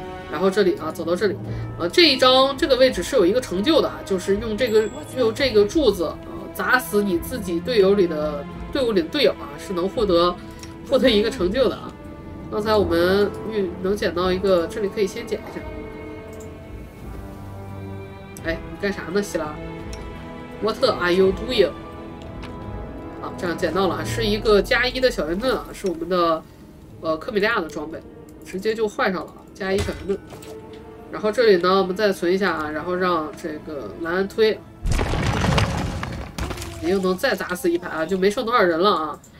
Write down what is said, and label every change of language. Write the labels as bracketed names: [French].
[Chinese] 然后这里啊，走到这里，这一张这个位置是有一个成就的啊，就是用这个柱子啊砸死你自己队伍里的队友啊，是能获得一个成就的啊。刚才我们能捡到一个，这里可以先捡一下。哎，你干啥呢，希拉 ？ [English] What are you doing？ [Chinese] 啊，这样捡到了，是一个加一的小圆盾啊，是我们的科米利亚的装备，直接就换上了。加一小盾，然后这里呢，我们再存一下啊，然后让这个蓝安推，你又能再砸死一排啊，就没剩多少人了啊。